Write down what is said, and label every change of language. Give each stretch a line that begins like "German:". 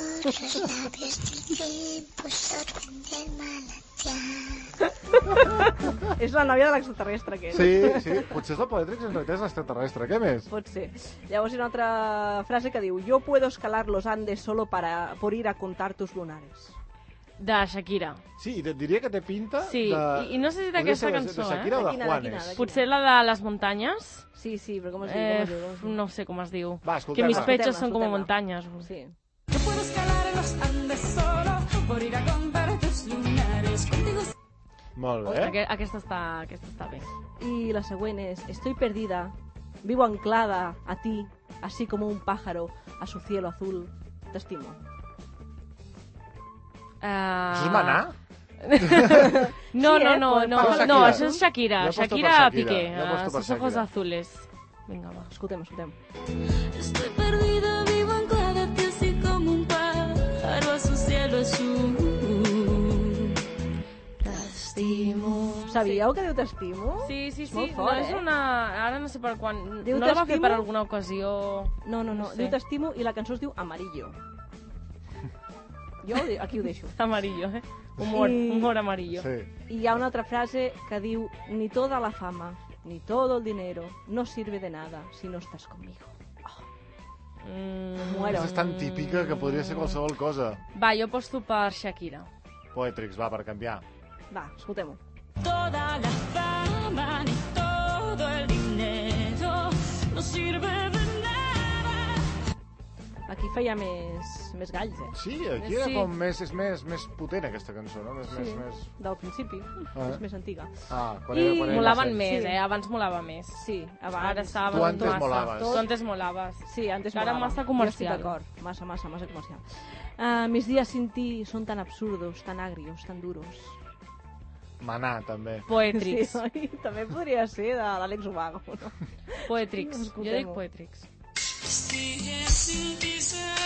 Spanish: Los labios del tiempo sorben del manantial.
Catalan: És la nòvia de l'extraterrestre, aquest. Sí, sí. Potser és la Poetrix, en realitat és l'extraterrestre. Què més? Pot ser. Llavors hi ha una altra frase que diu
Spanish: «Yo puedo escalar los Andes solo para por ir a contar tus lunares».
Catalan: De Shakira. Sí, diria que té pinta sí, de... Sí, i no sé si d'aquesta cançó, de Shakira eh? O de Juanes. Potser la de Les Muntanyes. Sí, sí, però com es diu? Com es diu? No sé com es diu. Va, escoltem-la.
Spanish: Que mis pechos
Catalan: són com muntanyes.
Spanish: Sí. Yo puedo escalar en los Andes solo por ir a contar tus lunares contigo... Molt bé.
Catalan: Ostres, aquesta està bé. I la següent és...
Spanish: Estoy perdida, vivo anclada a ti, así como un pájaro a su cielo azul.
Catalan: T'estimo. Això és Manà? No, això és Shakira. Shakira Piqué.
Spanish: Sus ojos azules.
Catalan: Vinga, va. Escutem.
Spanish: Estoy perdida, vivo anclada, tío, así como un pájaro a su cielo azul.
Catalan: T'estimo. Sabíeu que diu t'estimo? Sí, sí, sí. No, és una... Ara no sé per quan... Diu, no la va fer per alguna ocasió... No. Diu t'estimo i la cançó es diu Amarillo. Jo aquí ho deixo. Amarillo, eh? Humor amarillo. Sí. I hi ha una altra frase que diu
Spanish: ni toda la fama, ni todo el dinero no sirve de nada si no estás conmigo.
Catalan: Oh. Muero. És tan típica que podria ser qualsevol cosa. Va, jo posto per Shakira. Poetrix, va, per canviar. Va, escoltem-ho.
Spanish: Toda la fama, ni todo el dinero no sirve de nada.
Catalan: Aquí feia més galls, eh? Sí, aquí era sí. Com més potent, aquesta cançó, no? Més, sí, més, més... del principi, és més antiga. Ah, quan era... Molaven més, sí. Eh? Abans molava més. Sí, abans. Ara estava...
Spanish: Tu antes molaves. Tu antes molaves. Sí, antes
Catalan: molava. Ara massa comercial. D'acord, massa comercial.
Spanish: Mis días sin ti son tan absurdos, tan agrios, tan duros.
Catalan: Manà, també. Poetrix. Sí, també podria ser de l'Àlex Ubago, no? Poetrix. Jo dic Poetrix.
Spanish: Sigue sin ti se